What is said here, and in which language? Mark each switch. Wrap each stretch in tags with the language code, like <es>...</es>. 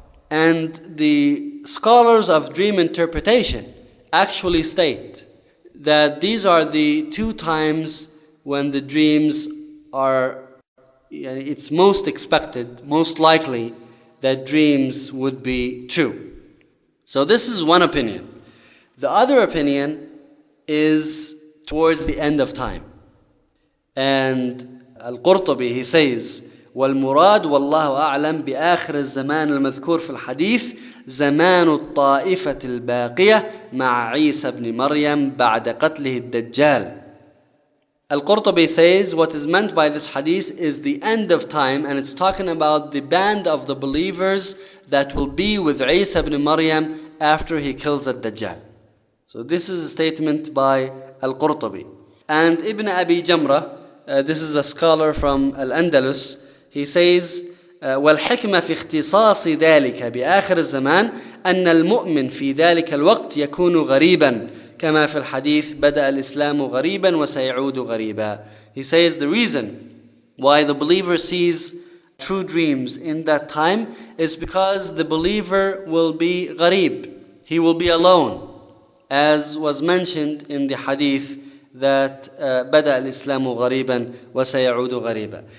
<en>And the scholars of dream interpretation actually state that these are the two times when the dreams are, it's most expected, most likely, that dreams would be true. So this is one opinion. The other opinion is towards the end of time.</en> <ar>And Al-Qurtubi, he says, وَالْمُرَادُ وَاللَّهُ أَعْلَمْ بِآخِرِ الزَّمَانِ الْمَذْكُورِ فِي الْحَدِيثِ زَمَانُ الطَّائِفَةِ الْبَاقِيَةِ مَعَ عِيسَى بْنِ مَرْيَمْ بَعْدَ قَتْلِهِ الدَّجَّالِ.</ar> <en>Al-Qurtubi says, what is meant by this hadith is the end of time, and it's talking about the band of the believers that will be with Isa ibn Maryam after he kills al-Dajjal. So this is a statement by Al-Qurtubi.</en> <ar>And Ibn Abi Jamrah, this is a scholar from Al-Andalus, he says, والحكمة في اختصاص ذلك بآخر الزمان أن المؤمن في ذلك الوقت يكون غريبا كما في الحديث بدأ الإسلام غريبا وسيعود غريبا.</ar> <en>He says the reason why the believer sees true dreams in that time is because the believer will be غريب. He will be alone, as was mentioned in the hadith that بدأ الإسلام غريبا وسيعود غريبا.</en>